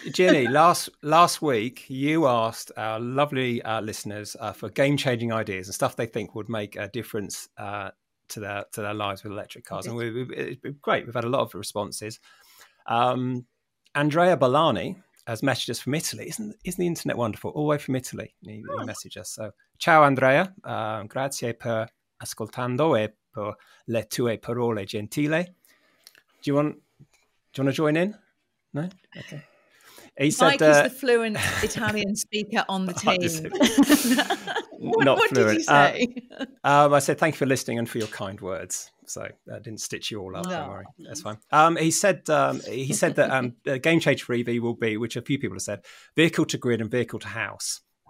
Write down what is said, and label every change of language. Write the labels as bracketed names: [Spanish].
[English] Ginny, last week you asked our lovely listeners for game-changing ideas and stuff they think would make a difference to their lives with electric cars. And we've had a lot of responses. Andrea Bellani has messaged us from Italy. Isn't the internet wonderful? All the way from Italy, he messaged us. [Italian] So, ciao Andrea, grazie per ascoltando e per le tue parole gentile. [English] Do you want to join in? No? Okay. He said, Mike is the fluent Italian speaker on the team. Not fluent. What did he say? I said, thank you for listening and for your kind words. So I didn't stitch you all up. No. Don't worry. That's fine. He said that the game changer for EV will be, which a few people have said, vehicle to grid and vehicle to house.